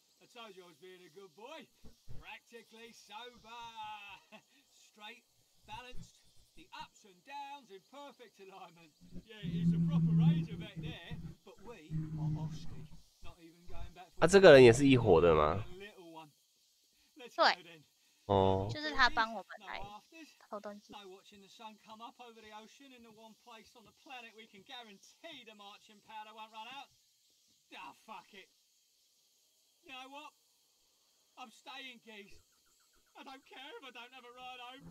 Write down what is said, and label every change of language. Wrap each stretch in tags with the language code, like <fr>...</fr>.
<en>I told you I was being a good boy. Practically sober, straight, balanced, the ups and downs in perfect alignment. Yeah, he's a proper razor back there, but we are Oski.</en> <zh>啊，这个人也是一伙的吗？对，哦，就是他帮我们来偷东西。</zh> <en>Watching the sun come up over the ocean in the one place on the planet we can guarantee the marching powder won't run out. Ah, fuck it. You know what? I'm staying, Geese. I don't care if I don't have a ride home.</en>